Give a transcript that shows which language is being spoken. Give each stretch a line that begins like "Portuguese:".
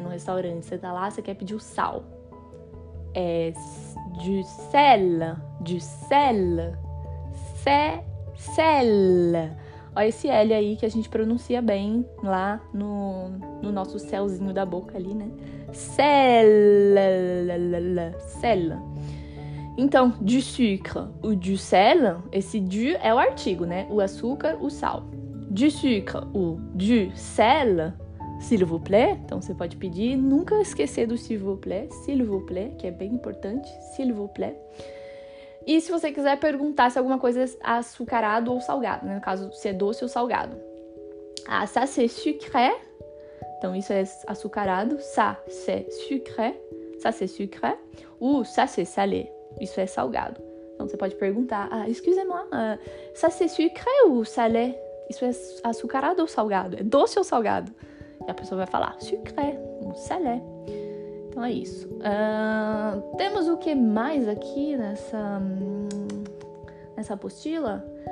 Portuguese: No restaurante, você tá lá, você quer pedir o sal. É du sel, du sel, sel. Ó esse L aí que a gente pronuncia bem lá no nosso céuzinho da boca ali, né? Sel, sel. Então, du sucre ou du sel, esse du é o artigo, né? O açúcar, o sal.
French: Du sucre ou du sel, s'il vous plaît.
Portuguese: Então, você pode pedir. Nunca esquecer do s'il vous plaît, que é bem importante, s'il vous plaît. E se você quiser perguntar se alguma coisa é açucarado ou salgado, né? No caso, se é doce ou salgado.
French: Ah, ça c'est sucré.
Portuguese: Então, isso é açucarado.
French: Ça c'est sucré. Ça c'est sucré. Ou ça c'est salé.
Portuguese: Isso é salgado. Então, você pode perguntar.
French: Ah, excusez-moi, ça c'est sucré ou salé?
Portuguese: Isso é açucarado ou salgado? É doce ou salgado? E a pessoa vai falar, sucré, ou salé. Então, é isso. Temos o que mais aqui nessa apostila?